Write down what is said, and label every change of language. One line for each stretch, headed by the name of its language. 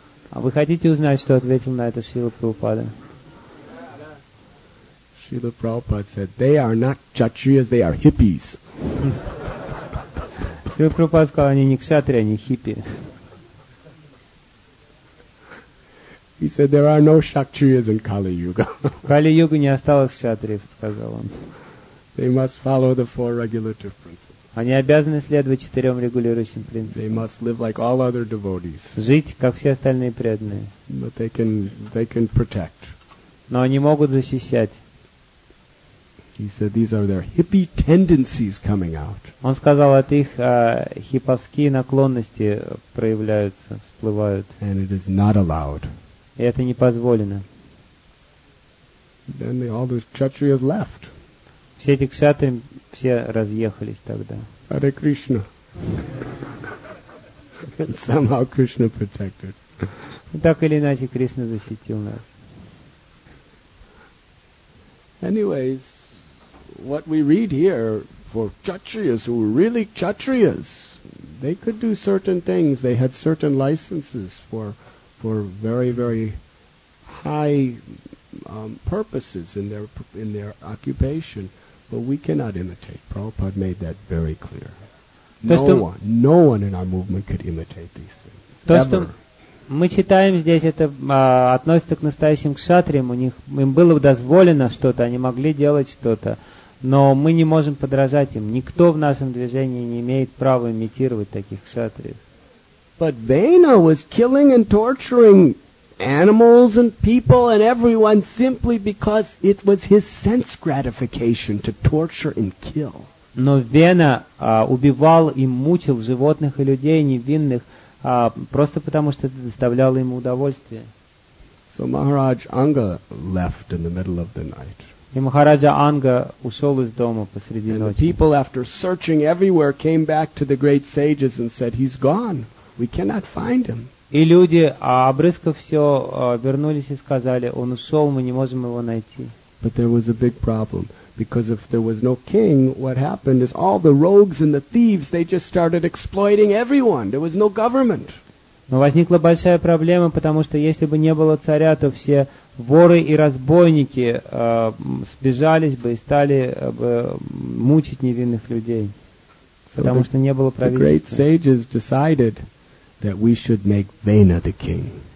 Russian: А вы хотите узнать, что ответил на это Шрила Прабхупада?
English: Шрила Прабхупада said, they are not kshatriyas, they are hippies.
Russian: Шрила Прабхупада сказал, они не кшатри, они хиппи.
English: He said, there are no kshatriyas in Kali Yuga.
Russian: В Кали-Юге не осталось кшатриев, сказал он.
English: They must follow the four regulative principles.
Russian: Они обязаны следовать четырем регулирующим принципам.
English: They must live like all other devotees.
Russian: Жить, как все остальные преданные.
English: But they can protect.
Russian: Но они могут защищать.
English: He said, these are their hippie tendencies coming out.
Russian: Он сказал, это их хипповские наклонности проявляются, всплывают.
English: And it is not allowed.
Russian: И это не позволено.
English: Then they, all those kshatriyas left.
Russian: Все эти кшатри все разъехались тогда.
English: Hare Krishna. And somehow Krishna protected.
Russian: Так или иначе, Кришна защитил нас.
English: Anyways, what we read here for kshatriyas, who were really kshatriyas, they could do certain things, they had certain licenses for very, very high purposes in their occupation. But we cannot imitate. Prabhupada made that very clear. No one in our movement could imitate these things.
Russian: То, что мы читаем здесь, это относится к настоящим кшатриям. Им было дозволено что-то, они могли делать что-то. Но мы не можем подражать им. Никто в нашем движении не имеет права имитировать таких кшатриев.
English: But Vaina was killing and torturing animals and people and everyone simply because it was his sense gratification to torture and kill.
Russian: Но Вена убивал и мучил животных и людей невинных просто потому, что это доставляло ему удовольствие.
English: So Maharaj Anga left in the middle of the night.
Russian: И Махараджа Анга ушел из дома посреди ночи.
English: And the people, after searching everywhere, came back to the great sages and said, "He's gone. We cannot find him."
Russian: И люди, обрызгав все, вернулись и сказали, он ушел, мы не можем его найти.
English: But there was a big problem, because if there was no king, what happened is all the rogues and the thieves, they just started exploiting everyone. There was no government.
Russian: Но возникла большая проблема, потому что если бы не было царя, то все воры и разбойники сбежались бы и стали бы мучить невинных людей. Потому что не было правительства.
English: The great sages decided that we should make Vena the king.